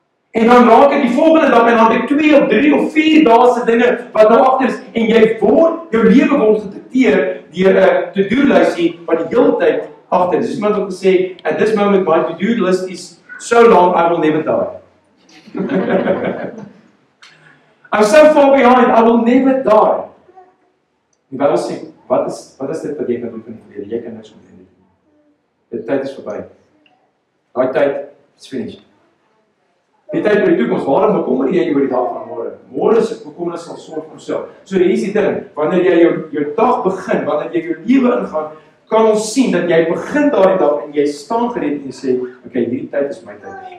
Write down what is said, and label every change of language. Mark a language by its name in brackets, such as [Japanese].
[Afrikaans] En dan raak ek die volgende dag en dan het ek 2 of 3 of 4 dae se dinge wat nou agter is en jy word jou lewe word gedikteer deur 'n to-do-lysie wat die hele tyd agter is. Dis iemand wat gesê, [English] "At this moment my to-do-list is so long I will never die." I'm so far behind I will never die. [Afrikaans] Jy wou sê, wat is dit wat jy kan doen in die verlede? Jy kan niks om doen nie. Dit tyd is verby. Daai tyd is finished. Die tyd vir die toekoms, waarom bekommer jy oor die dag van môre? Môre se bekommernis sal sorg vir homself. So hier is die ding, wanneer jy jou dag begin, wanneer jy jou lewe ingaan, kan ons sien dat jy begin daardie dag en jy staan gereed en jy sê, "Okay, hierdie tyd is my tyd."